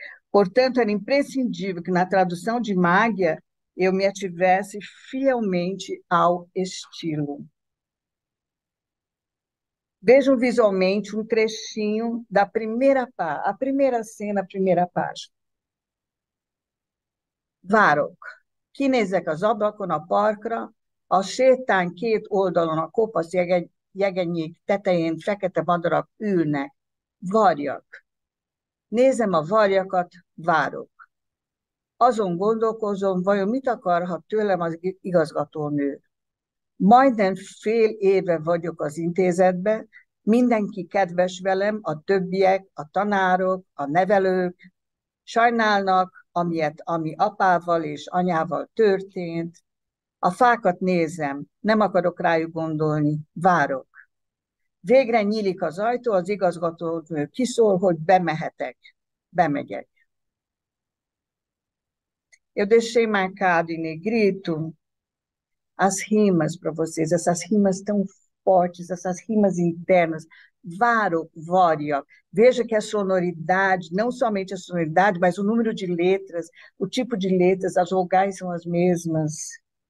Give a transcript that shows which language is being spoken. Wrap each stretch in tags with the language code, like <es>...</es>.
<pt>Portanto, era imprescindível que na tradução de Magia eu me ativesse fielmente ao estilo. Vejam visualmente um trechinho da primeira pá, a primeira cena, a primeira página.</pt> <hu>Várok, kinézek az ablakon a parkra, a sétány két oldalon a kopasz jegenyék tetején fekete madarak ülnek. Várjak. Nézem a varjakat, várok. Azon gondolkozom, vajon mit akarhat tőlem az igazgatónő. Majdnem fél éve vagyok az intézetben, mindenki kedves velem, a többiek, a tanárok, a nevelők. Sajnálnak, ami apával és anyával történt. A fákat nézem, nem akarok rájuk gondolni, várok. Végre nyílik az ajtó, az igazgató kiszól, hogy bemehetek. Bemegyek.</hu> <pt>Eu deixei marcado em negrito as rimas para vocês, essas rimas tão fortes, essas rimas internas. Varo, vório. Veja que a sonoridade, não somente a sonoridade, mas o número de letras, o tipo de letras, as vogais são as mesmas.</pt>